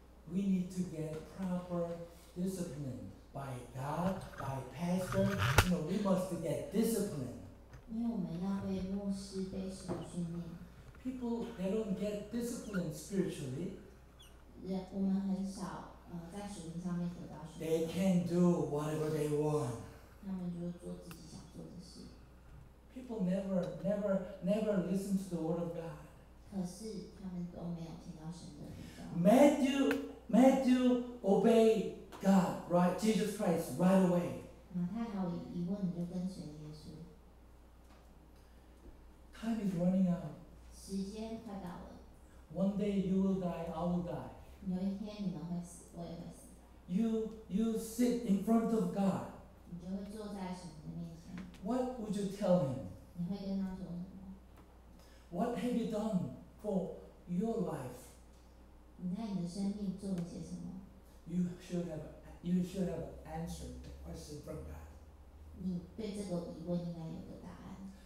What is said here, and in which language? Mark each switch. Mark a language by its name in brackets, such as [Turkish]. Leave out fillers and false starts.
[English] We need to get proper discipline by God, by pastor. No, we must get discipline. [Chinese] 因为我们要被牧师被神训练。 [English] People, they don't get discipline spiritually. [Chinese] 我们很少。在在属灵上面得到许可。 [English] They can do whatever they want. [Chinese] 他们就做自己想做的事。 [English] People never listen to the word of God. [Chinese] 可是他们都没有听到神的教。 [English] Matthew obey God, right? Jesus Christ, right away. [Chinese] 马太毫无疑问就跟随耶稣。 [English] Time is running out. [Chinese] 时间快到了。 [English] One day you will die, I will die. [Chinese] 有一天你们会死，我也会死。 [English] You sit in front of God. [Chinese] 你就会坐在神的面前。 [English] What would you tell him? [Chinese] 你会跟他说什么？ [English] What have you done for your life? [Chinese] 你在你的生命做了些什么？ [English] You should have answered the question from God. [Chinese] 你对这个疑问应该有个答案。